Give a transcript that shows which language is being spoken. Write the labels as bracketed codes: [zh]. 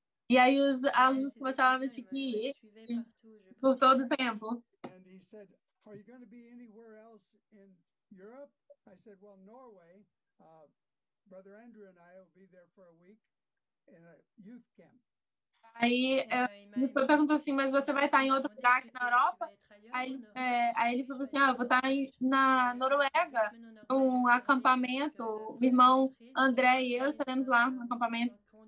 [pt] E aí os alunos começavam a me seguir por todo o tempo. [en] And he said, are you going to be anywhere else in Europe? I said, well, Norway, Brother Andrew and I will be there for a week. in a youth camp. [pt] Aí ele foi perguntou assim, mas você vai estar em outro lugar aqui na Europa? Aí ele falou assim, ah, eu vou estar na Noruega, num acampamento. O irmão André e eu estaremos lá no acampamento.